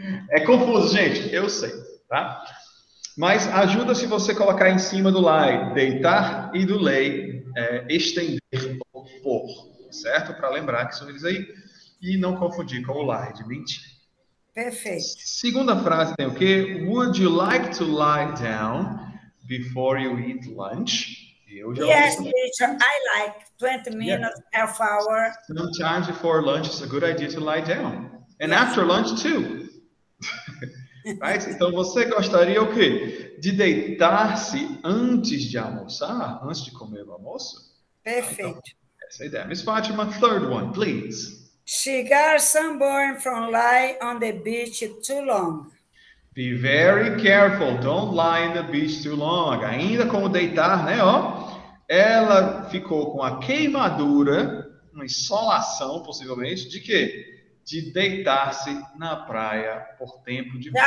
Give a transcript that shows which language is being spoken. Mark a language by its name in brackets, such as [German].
[Portuguese] É confuso, gente, eu sei, tá? Mas ajuda se você colocar em cima do lie, deitar, e do lay, estender ou pôr. Certo? Para lembrar que são eles aí. E não confundir com o lie, de mentir. Perfeito. Segunda frase tem o quê? [English] Would you like to lie down before you eat lunch? [Portuguese] Eu já [English] yes, ouvi. Teacher, I like 20 minutes, yeah. Half hour. Sometimes before lunch, it's a good idea to lie down. And yes. After lunch, too. Right? [Portuguese] Então, você gostaria o quê? De deitar-se antes de almoçar? Antes de comer o almoço? Perfeito. Ah, então, [English] say that. Miss Fatima, third one, please. She got sunburned from lying on the beach too long. Be very careful. Don't lie on the beach too long. [Portuguese] Ainda como deitar, né? Ó, ela ficou com a queimadura, uma insolação, possivelmente, de quê? De deitar-se na praia por tempo demais.